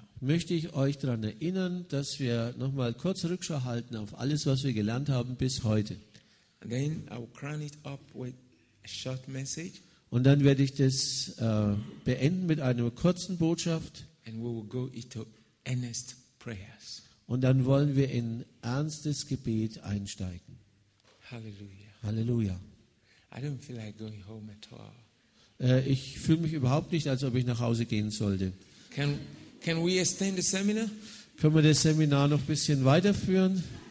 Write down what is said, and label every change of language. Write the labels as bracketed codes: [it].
[de] Möchte ich euch daran erinnern, dass wir nochmal kurz Rückschau halten auf alles, was wir gelernt haben bis heute. [en] And then I will crown it up with a short message. [de] Und dann werde ich das beenden mit einer kurzen Botschaft. [en] And we will go into earnest prayers. [de] Und dann wollen wir in ernstes Gebet einsteigen. Halleluja. Halleluja. [en] I don't feel like going home at all. [de] Ich fühle mich überhaupt nicht, als ob ich nach Hause gehen sollte. [en] Can we extend the seminar? [de] Können wir das Seminar noch ein bisschen weiterführen?